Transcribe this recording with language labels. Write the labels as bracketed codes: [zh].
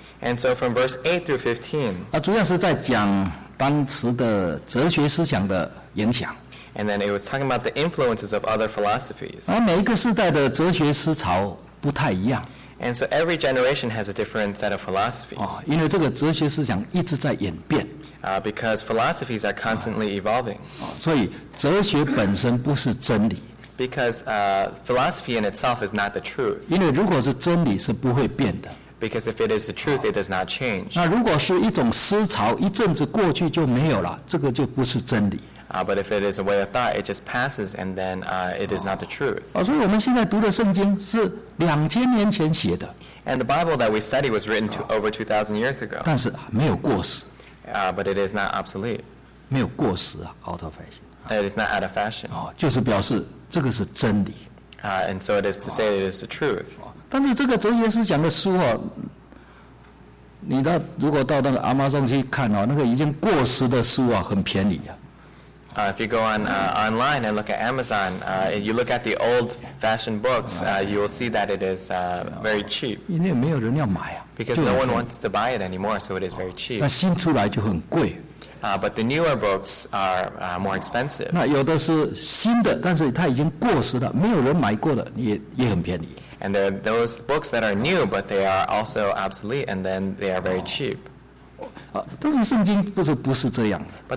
[en] And so from verse 8 through 15. [zh] 主要是在讲当时的哲学思想的影响。 [en] And then it was talking about the influences of other philosophies. [zh] 每一个时代的哲学思潮不太一样。 [en] And so every generation has a different set of philosophies. [zh] 因为这个哲学思想一直在演变。 [en] Because philosophies are constantly evolving. [zh] 所以哲学本身不是真理。 [en] Because philosophy in itself is not the truth. [zh] 因为如果是真理是不会变的。 [en] Because if it is the truth, it does not change. [zh] 那如果是一种思潮，一阵子过去就没有了，这个就不是真理。 [en] But if it is a way of thought, it just passes, and then it is not the truth. [zh] 所以我们现在读的圣经是两千年前写的。 [en] And the Bible that we study was written to over 2,000 years ago. [zh] 但是没有过时。 [en] But it is not obsolete. [zh] 没有过时 [en] out of fashion. It is not out of fashion. [zh] 就是表示这个是真理。 [en] And so it is to say it is the truth. [zh] 但是这个哲学思想的书你到如果到那个 Amazon 去看那个已经过时的书很便宜 [en] If you go on online and look at Amazon, you look at the old-fashioned books, you will see that it is very cheap. [zh] 因为没有人要买啊, [en] because no one wants to buy it anymore, so it is very cheap. [zh] 但新出来就很贵。 [en] But the newer books are more expensive. [zh] 那有的是新的, 但是它已经过时了, 没有人买过的, 也很便宜。 [en] And there are those books that are new, but they are also obsolete, and then they are very cheap. [zh] 但是圣经不是这样的。But